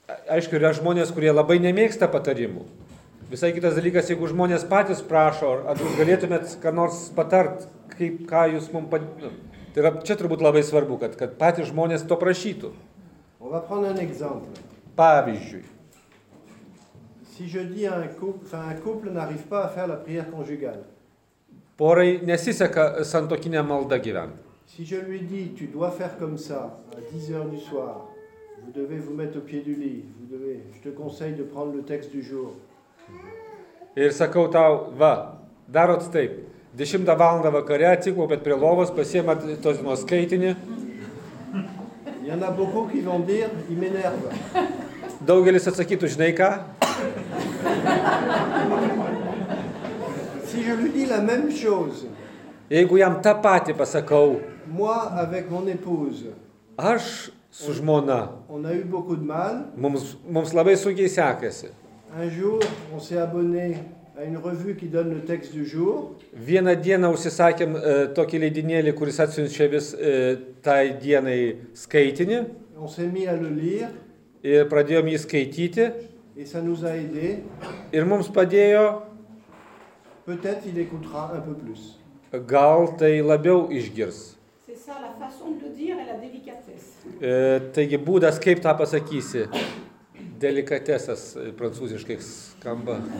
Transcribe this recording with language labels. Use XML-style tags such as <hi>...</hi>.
<lt>Aišku, yra žmonės, kurie labai nemėgsta patarimų. Visai kitas dalykas, jeigu žmonės patys prašo, ar jūs galėtumėt ką nors patart, kaip ką jūs mums tai yra čia turbūt labai svarbu, kad patys žmonės to prašytų.</lt> <fr>On va prendre un exemple.</fr> <lt>Pavyzdžiui.</lt> <fr>Si je dis un couple n'arrive pas à faire la prière conjugale.</fr> <lt>Porai nesiseka santokinė malda gyventi.</lt> <fr>Si je lui dis tu dois faire comme ça à 10h du soir, vous devez vous mettre au pied du lit, vous devez, je te conseille de prendre le texte du jour.</fr> <lt>Ir sakau tau, va, darot taip. 10 valandą vakare atsiklopėt prie lovos, pasiemat tos dienos skaitinį.</lt> <fr>Il y en a beaucoup qui vont dire, il m'énerve.</fr> <lt>Daugelis atsakytų, žinai ką?</lt> <fr>Si je lui dis la même chose.</fr> <lt>Jeigu jam tą patį pasakau.</lt> <fr>Moi avec mon épouse.</fr> <lt>Aš su žmona.</lt> <fr>On a eu beaucoup de mal.</fr> <lt>Mums labai sunkiai sekasi.</lt> <fr>Un jour, on s'est abonné à une revue qui donne le texte du jour.</fr> <lt>Vieną dieną užsisakėm tokį leidinėlį, kuris atsiunčia vis tai dienai skaitinį.</lt> <fr>On s'est mis à le lire.</fr> <lt>Ir pradėjom jį skaityti.</lt> <fr>Et ça nous a aidé.</fr> <lt>Ir mums padėjo.</lt> <fr>Peut-être il écoutera un peu plus.</fr> <lt>Gal tai labiau išgirs.</lt> <fr>C'est ça la façon de le dire et la délicatesse.</fr> <lt>Taigi būdas kaip tą pasakysi. Delikatesas prancūziškai skamba.</lt>